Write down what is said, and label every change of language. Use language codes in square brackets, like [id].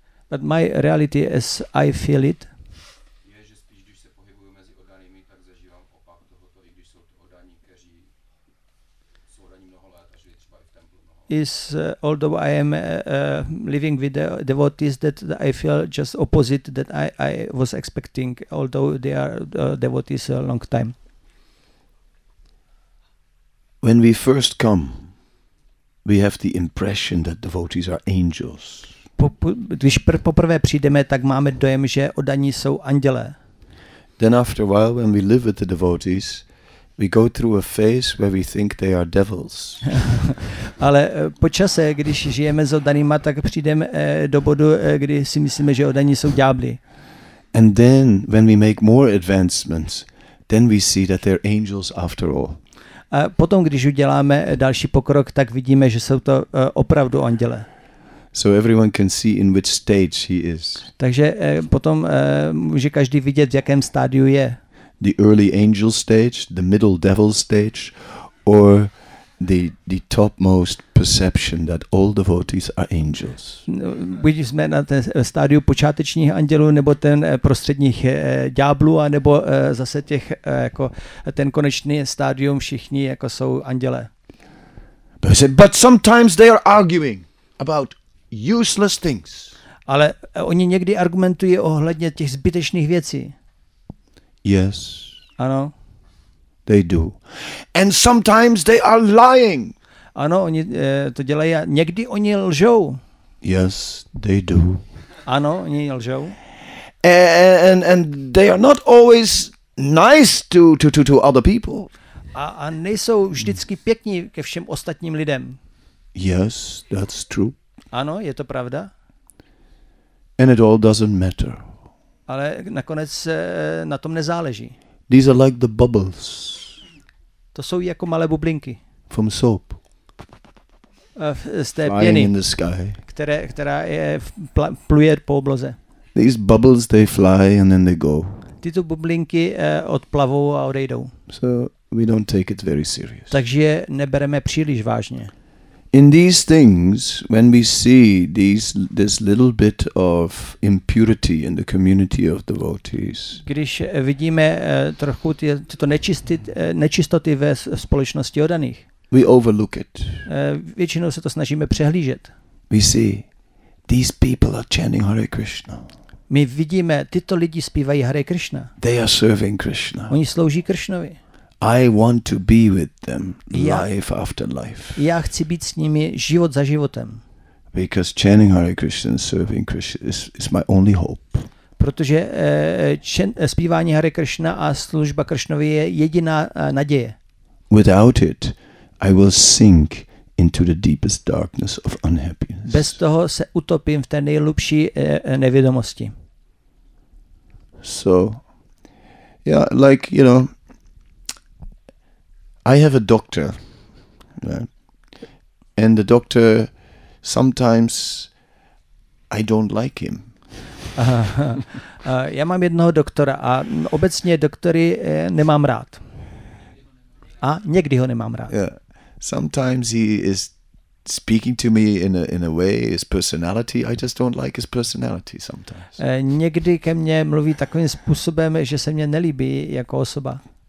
[en] But my reality as I feel it is although I am living with the devotees that I feel just opposite that I was expecting, although they are devotees a long time. When we first come, we have the impression that devotees are angels. [cs] Když poprvé přijdeme, tak máme dojem, že oddaní jsou andělé. [en] Then after a while, when we live with the devotees, we go through a phase where we think they are devils. [cs] Ale po čase, když žijeme s oddanýma, tak přijdeme do bodu, kdy si myslíme, že oddaní jsou ďábli. [en] And then, when we make more advancements, then we see that they're angels after all. [cs] A potom, když uděláme další pokrok, tak vidíme, že jsou to opravdu andělé. [en] So everyone can see in which stage he is. [cs] Takže potom může každý vidět, v jakém stádiu je. [en] The early angel stage, the middle devil stage, or the topmost perception that all devotees are angels. [cs] Buď jsme na té stádiu počátečních andělů, nebo ten prostředních ďáblů, a nebo zase těch jako ten konečný stádium všichni jako jsou andělé. [en] But sometimes they are arguing about useless things. [cs] Ale oni někdy argumentují ohledně těch zbytečných věcí. [en] Yes. [cs] Ano. [en] They do. And sometimes they are lying. [cs] Ano, oni to dělají. Někdy oni lžou. [en] Yes, they do. [cs] Ano, oni lžou. [en] And they are not always nice to other people. [cs] A nejsou vždycky pěkní ke všem ostatním lidem. [en] Yes, that's true. [cs] Ano, je to pravda. [en] And it all doesn't matter. [cs] Ale nakonec na tom nezáleží. [en] These are like the bubbles. [cs] To jsou jako malé bublinky. [en] From soap. [cs] Z té pěny, [en] in the sky. [cs] Která je pluje po obloze. [en] These bubbles, they fly and then they go. [cs] Tyto bublinky odplavou a odejdou. [en] So we don't take it very serious. [cs] Takže nebereme příliš vážně. [en] In these things, when we see this little bit of impurity in the community of devotees, [cs] když vidíme trochu tyto nečistoty ve společnosti oddaných, [en] we overlook it. [cs] Většinou se to snažíme přehlížet. [en] We see these people are chanting Hare Krishna. [cs] My vidíme, tyto lidi zpívají Hare Krishna. [en] They are serving Krishna. [cs] Oni slouží Krishnovi. [en] I want to be with them life after life. [cs] Já chci být s nimi život za životem. [en] Because chanting Hare Krishna and serving Krishna is my only hope. [cs] Protože zpívání Hare Krishna a služba Krishnovi je jediná naděje. [en] Without it, I will sink into the deepest darkness of unhappiness. [cs] Bez toho se utopím v té nejhlubší nevědomosti. [en] So, yeah, like, you know, I have a doctor, right? And the doctor, sometimes I don't like him. [cs] Já mám jednoho doktora a obecně doktory nemám rád. A někdy ho nemám rád. [en] Yeah. Sometimes he is speaking to me in a way, his personality, I just don't like his personality sometimes. [cs] Někdy ke mně mluví takovým způsobem, že se mě nelíbí jako osoba.